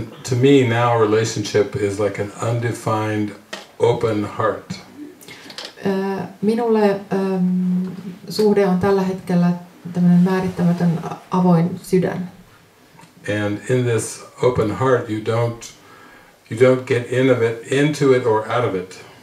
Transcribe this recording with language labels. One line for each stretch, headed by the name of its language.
English: To me now relationship is like an undefined open heart.
Finnish: Minulle suhde on tällä hetkellä tämmöinen määrittämätön avoin sydän.
English: And in this open heart you don't get into it or out of it.